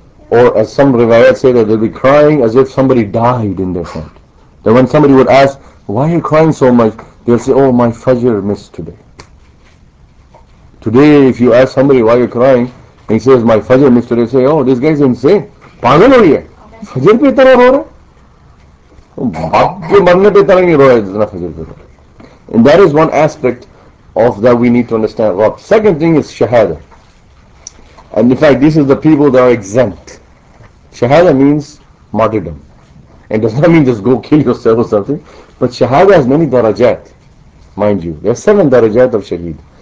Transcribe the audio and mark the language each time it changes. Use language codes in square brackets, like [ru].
[en] Or as some riwayat say, that they'll be crying as if somebody died in their front. That when somebody would ask, why are you crying so much? They'll say, oh, my Fajr missed today. Today, if you ask somebody why you're crying, he says, my Fajr missed today. Say, oh, this guy's insane. [ur] پاگل ہو رہی ہے. فجر پہ اتنا رو رہا ہے. باپ کے مرنے پہ اتنا نہیں رو رہا ہے، اتنا فجر پہ رو رہا ہے. [en] And that is one aspect of that we need to understand. Rab. Second thing is Shahada. And in fact, this is the people that are exempt. Shahada means martyrdom. And does not mean just go kill yourself or something. But Shahada has many darajat, mind you. There are 7 darajat of Shaheed.